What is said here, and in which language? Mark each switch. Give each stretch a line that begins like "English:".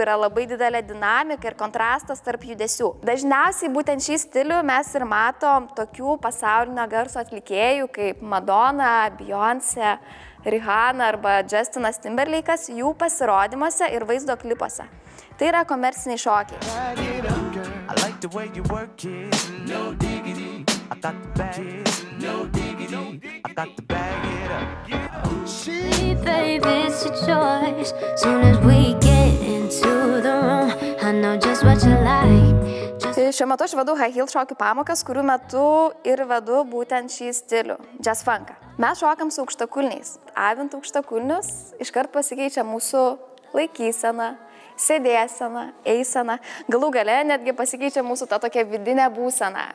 Lithuanian: Yra labai didelė dinamika ir kontrastas tarp judesių. Dažniausiai būtent šį stilių mes ir matom tokių pasaulinio garso atlikėjų kaip Madonna, Beyoncé, Rihanna arba Justinas Timberlake'as jų pasirodymuose ir vaizdo klipuose. Tai yra komerciniai šokiai.
English: I like the way you work it, no diggity. I got the bag, no diggity. I got the bag it up. See, babe, it's a choice. Soon as we get into the room, I know just what you like.
Lithuanian: Šiuo metu aš vedu high heel šokių pamokas, kurių metu ir vedu būtent šį stilių, jazz funką. Mes šokam su aukštakulniais. Avint aukštakulnius, iškart pasikeičia mūsų laikysena, sėdėsena, eisena, galų gale netgi pasikeičia mūsų ta tokia vidinė būsena.